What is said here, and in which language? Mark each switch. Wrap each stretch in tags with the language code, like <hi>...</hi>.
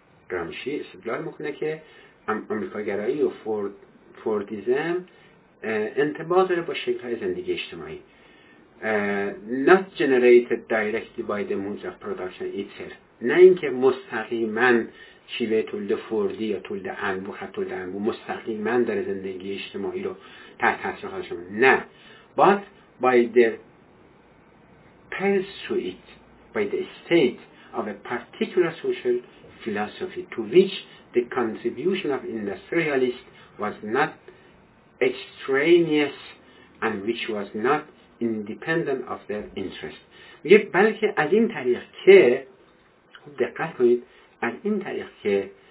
<fa>گرامشی استدلال میکنه که آمریکاگرایی و فوردیزم انتباه داره با شکل‌های زندگی اجتماعی.</fa> <en>Not generated directly by the modes of production itself.</en> <fa>نه اینکه مستقیماً شیوه تولید فوردی یا تولید انبو، حتی تولید انبو مستقیماً داره زندگی اجتماعی رو تحت تاثیر خودش میاره. نه.</fa> <en>But by the pursuit, by the state of a particular social philosophy to which the contribution of industrialists was not extraneous and which was not independent of their interest.</en> <fa>میگه بلکه از این طریق که، خوب دقت کنید، از این طریق که</fa>